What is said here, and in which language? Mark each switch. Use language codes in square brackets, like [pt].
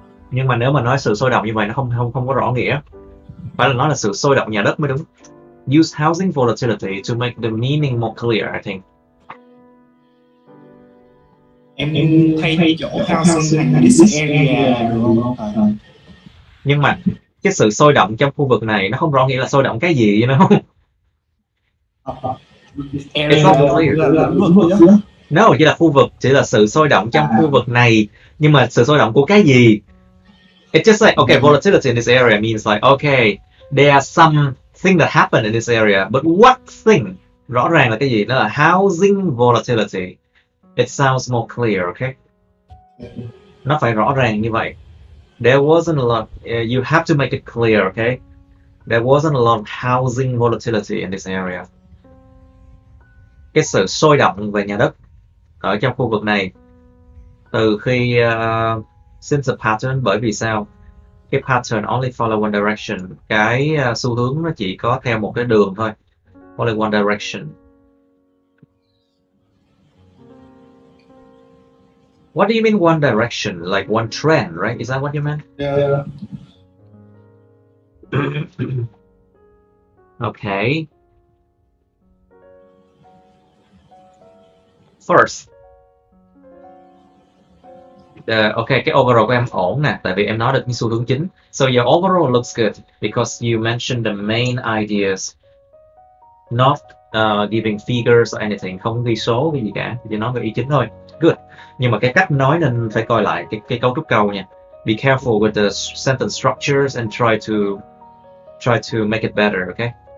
[vi] Nhưng mà nếu mà nói sự sôi động như vậy nó không không không có rõ nghĩa. Phải là nói là sự sôi động nhà đất mới đúng. [en] Use housing volatility to make the meaning more clear, I think. [vi] Em thay thay chỗ housing thành là [en] this area. [vi] Nhưng mà cái sự sôi động trong khu vực này nó không rõ nghĩa là sôi động cái gì, [en] you know? It's not clear. No, [vi] chỉ là khu vực, chỉ là sự sôi động trong khu vực này. Nhưng mà sự sôi động của cái gì? [en] It's just like, okay, volatility in this area means like, okay, there are some thing that happened in this area, but what thing? [vi] Rõ ràng là cái gì? Đó là housing volatility. [en] It sounds more clear, okay? [vi] Nó phải rõ ràng như vậy. [en] There wasn't a lot, you have to make it clear, okay? There wasn't a lot of housing volatility in this area. [vi] Cái sự sôi động về nhà đất ở trong khu vực này từ khi [en] since a pattern, [vi] bởi vì sao? Cái pattern [en] only follow one direction, [vi] cái xu hướng nó chỉ có theo một cái đường thôi, [en] only one direction. What do you mean one direction, like one trend, right? Is that what you meant? Yeah. Okay. First. [vi] Okay, cái overall của em ổn nè, tại vì em nói được cái xu hướng chính. [en] So your overall looks good because you mentioned the main ideas. Not giving figures or anything, [vi] không ghi số cái gì cả, chỉ nói về ý chính thôi. Good. Nhưng mà cái cách nói nên phải coi lại cái cấu trúc câu nha. [en] Be careful with the sentence structures and try to make it better, okay?